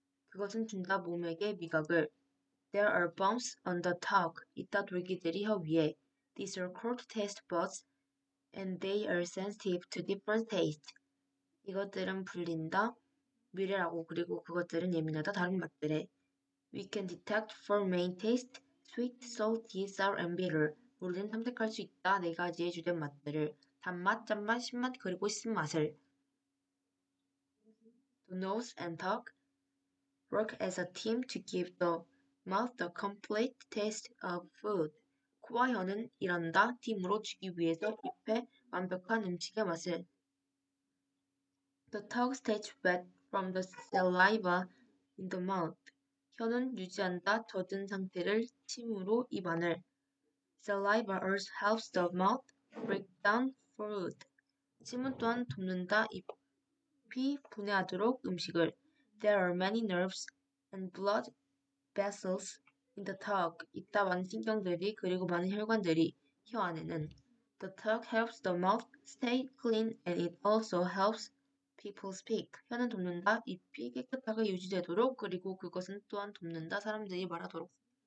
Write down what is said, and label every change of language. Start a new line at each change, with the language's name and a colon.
Korean: 그것은 준다 몸에게 미각을.
English: There are bumps on the tongue.
Korean: 있다 돌기들이 혀 위에.
English: These are called taste buds, and they are sensitive to different taste.
Korean: 이것들은 불린다, 미래라고, 그리고 그것들은 예민하다, 다른 맛들에.
English: We can detect four main taste, sweet, salty, sour, and bitter.
Korean: 우리는 탐색할 수 있다, 네 가지의 주된 맛들을. 단맛, 짠맛, 신맛, 그리고 신맛을.
English: The nose and tongue work as a team to give the mouth the complete taste of food.
Korean: 코와 혀는 일한다, 팀으로 주기 위해서 입에 완벽한 음식의 맛을.
English: The tongue stays wet from the saliva in the mouth.
Korean: 혀는 유지한다, 젖은 상태를 침으로 입안을.
English: Saliva also helps the mouth break down food.
Korean: 침은 또한 돕는다, 입이 분해하도록 음식을.
English: There are many nerves and blood vessels in the tongue.
Korean: 있다, 많은 신경들이, 그리고 많은 혈관들이, 혀 안에는.
English: The tongue helps the mouth stay clean and it also helps people speak.
Korean: 혀는 돕는다, 입이 깨끗하게 유지되도록, 그리고 그것은 또한 돕는다, 사람들이 말하도록.